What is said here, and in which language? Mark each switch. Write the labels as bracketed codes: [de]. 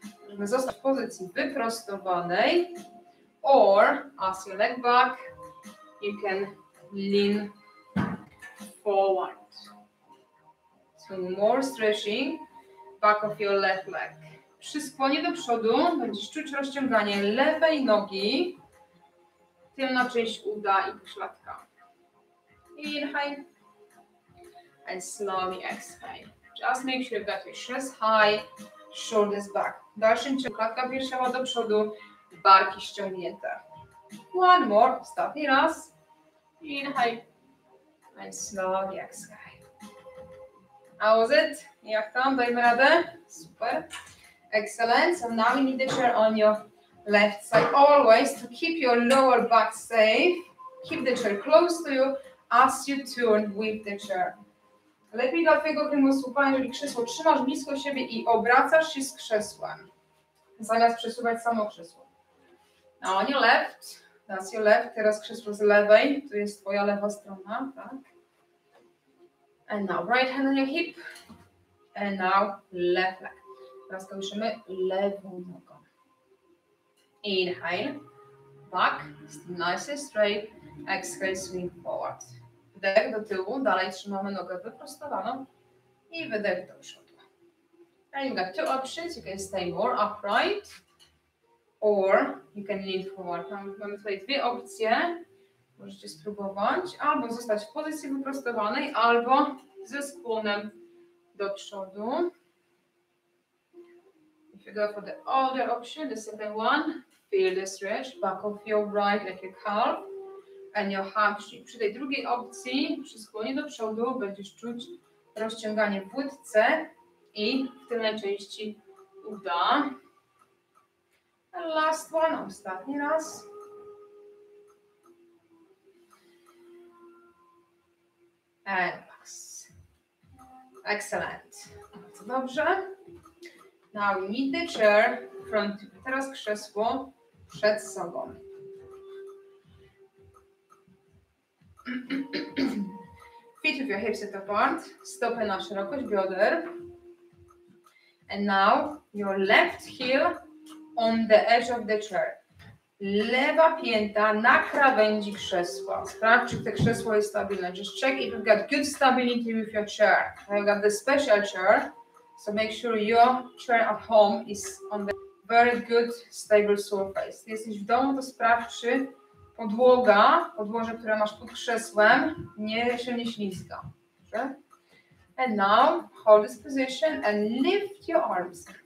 [pl] Możemy zostać w pozycji wyprostowanej, [en] or as your leg back, you can lean forward. So more stretching, back of your left leg. [pl] Przy skłonie do przodu będziesz czuć rozciąganie lewej nogi, tylna część uda i pośladka. [en] Inhale. And slowly exhale. Just make sure you've got your chest high, shoulders back. [pl] W dalszym ciągu klatka piersiowa do przodu, barki ściągnięte. [en] One more, [pl] ostatni raz. [en] Inhale. And slowly exhale. How was it? [pl] Jak tam? Dajmy radę? [en] Super. Excellent. So now we need the chair on your left side. Always to keep your lower back safe, keep the chair close to you as you turn with the chair. [pl] Lepiej dla twojego kręgosłupa, jeżeli krzesło trzymasz blisko siebie i obracasz się z krzesłem, zamiast przesuwać samo krzesło. [en] Now on your left, that's your left. [pl] Teraz krzesło z lewej, to jest twoja lewa strona, tak? [en] And now right hand on your hip, and now left leg. [pl] Teraz kołyszymy lewą nogą. [en] Inhale, back, nice and straight. Exhale, swing forward. [pl] Wdech do tyłu, dalej trzymamy nogę wyprostowaną i wydech do przodu. [en] And you've got two options, you can stay more upright or you can lean forward. [pl] Mamy tutaj dwie opcje, możecie spróbować albo zostać w pozycji wyprostowanej, albo ze skłonem do przodu. [en] If you go for the other option, the second one, feel the stretch, back of your right leg, your calf and your hamstring. [pl] Przy tej drugiej opcji, przy skłonie do przodu, będziesz czuć rozciąganie w łydce i w tylnej części uda. [en] And last one, [pl] ostatni raz. [en] And last. Excellent. [pl] Dobrze. [en] Now we need the chair front. [pl] Teraz krzesło przed sobą. [en] Feet with your hips set apart, [pl] stopy na szerokość bioder. [en] And now your left heel on the edge of the chair. [pl] Lewa pięta na krawędzi krzesła. Sprawdź, czy to krzesło jest stabilne. [en] Just check if you've got good stability with your chair. I've got the special chair, so make sure your chair at home is on the very good stable surface. [pl] Jesteś w domu, to sprawdź, czy podłoga, podłoże, które masz pod krzesłem, nie się nie ślizga. [en] And now hold this position and lift your arms.